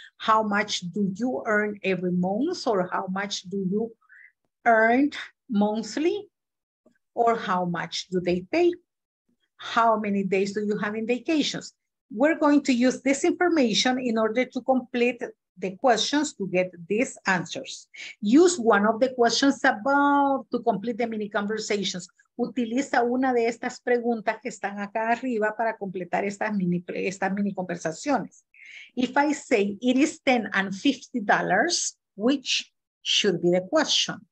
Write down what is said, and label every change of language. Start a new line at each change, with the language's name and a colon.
English: How much do you earn every month? Or how much do you earn monthly? Or how much do they pay? How many days do you have in vacations? We're going to use this information in order to complete the questions to get these answers. Use one of the questions above to complete the mini conversations.
Spanish: Utiliza una de estas preguntas que están acá arriba para completar estas mini conversaciones.
English: If I say it is $10 and $50, which should be the question?